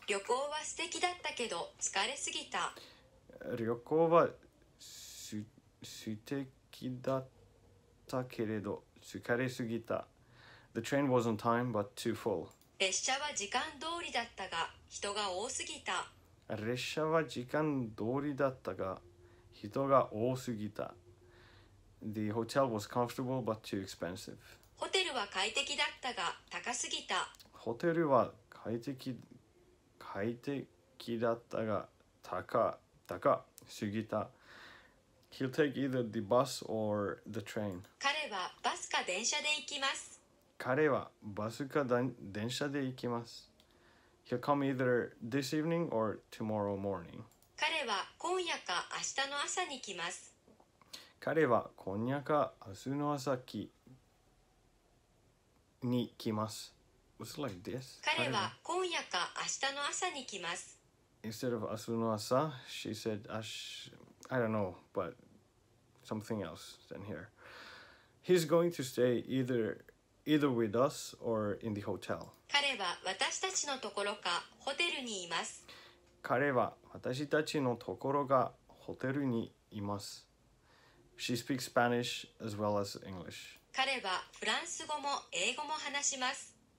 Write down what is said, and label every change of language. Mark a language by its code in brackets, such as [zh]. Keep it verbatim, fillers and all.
[ja] 旅行は素敵だったけど疲れすぎた。旅行はす素敵だったけれど疲れすぎた。 [en] The train was on time, but too full. [ja] 列車は時間通りだったが人が多すぎた。列車は時間通りだったが人が多すぎた。 [en] The hotel was comfortable, but too expensive. [ja] ホテルは快適だったが高すぎた。ホテルは快適、快適だったが高、高すぎた。 [en] He'll take either the bus or the train. [ja] 彼はバスか電車で行きます。彼はバスか電車で行きます。 [en] He'll come either this evening or tomorrow morning. [ja] 彼は今夜か明日の朝に来ます。彼は今夜か明日の朝に来ます。 [en] It's like this. [ja] 彼は今夜か明日の朝に来ます。 [en] Instead of 明日の朝、she said 明日 I don't know, but something else than here. He's going to stay either, either with us or in the hotel. [ja] 彼は私たちのところかホテルにいます。彼は私たちのところかホテルにいます。 [en] She speaks Spanish as well as English. [ja] 彼はフランス語も英語も話します。